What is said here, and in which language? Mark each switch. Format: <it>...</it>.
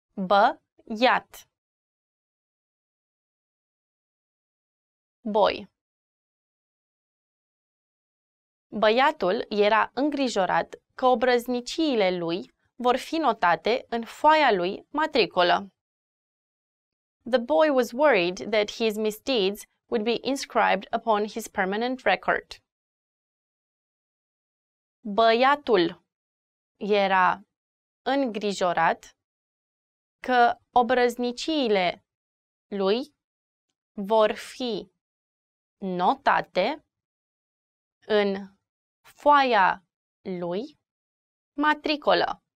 <ro>Băiat.</ro> <en>Boy.</en> <ro>Băiatul era îngrijorat că obrăzniciile lui vor fi notate în foaia lui matriculă.</ro> <en>The boy was worried that his misdeeds would be inscribed upon his permanent record.</en> <ro>Băiatul era îngrijorat că obrăzniciile lui vor fi notate în foaia lui matriculă.</ro>